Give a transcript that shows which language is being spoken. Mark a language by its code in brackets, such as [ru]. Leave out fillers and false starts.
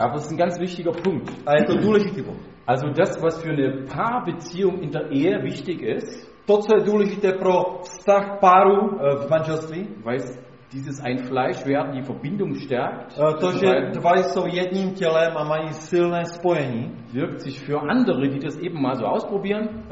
[de] Aber es ist ein ganz wichtiger Punkt. [cs] A je to důležitý bod. [de] Also das, was für eine Paarbeziehung in der Ehe wichtig ist, [cs] to, co je důležité pro vztah páru v manželství, [de] weiß dieses ein Fleisch werden, die Verbindung stärkt, [cs] to, že dva jsou jedním tělem a mají silné spojení, [de] wirkt sich für andere, die das eben mal so ausprobieren,